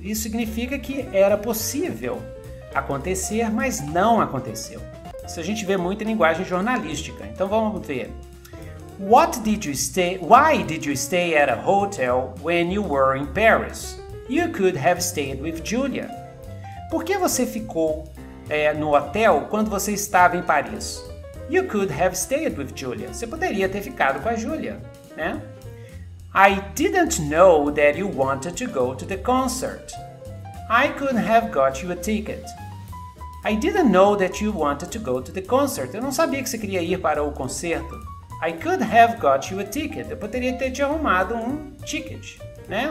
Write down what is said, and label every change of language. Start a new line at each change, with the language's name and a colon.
Portuguese: Isso significa que era possível acontecer, mas não aconteceu. Isso a gente vê muito em linguagem jornalística. Então, vamos ver.
English: What did you stay? Why did you stay at a hotel when you were in Paris? You could have stayed with Julia.
Portuguese: Por que você ficou no hotel quando você estava em Paris?
English: You could have stayed with Julia.
Portuguese: Você poderia ter ficado com a Julia, né?
English: I didn't know that you wanted to go to the concert. I could have got you a ticket. I didn't know that you wanted to go to the concert.
Portuguese: Eu não sabia que você queria ir para o concerto.
English: I could have got you a ticket.
Portuguese: Eu poderia ter te arrumado um ticket, né?